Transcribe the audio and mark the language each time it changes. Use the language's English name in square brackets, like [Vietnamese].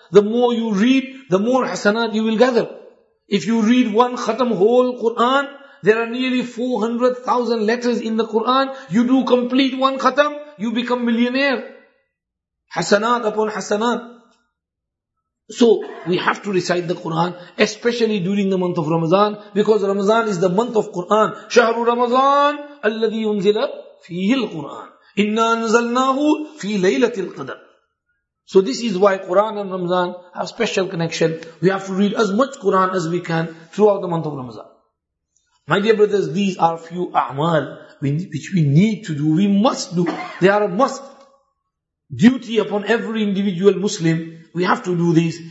[English] The more you read, the more hasanat you will gather. If you read 1 khatam whole Quran, there are nearly 400,000 letters in the Quran. You do complete 1 khatam, you become millionaire. Hasanat upon hasanat. So, we have to recite the Quran, especially during the month of Ramadan, because Ramadan is the month of Quran. [Arabic] شهر رمضان الذي ينزل فيه القرآن إنا نزلناه في ليلة القدر. [English] So this is why Quran and Ramadan have special connection. We have to read as much Quran as we can throughout the month of Ramadan. My dear brothers, these are few a'mal which we need to do. We must do. They are a must. Duty upon every individual Muslim. We have to do this.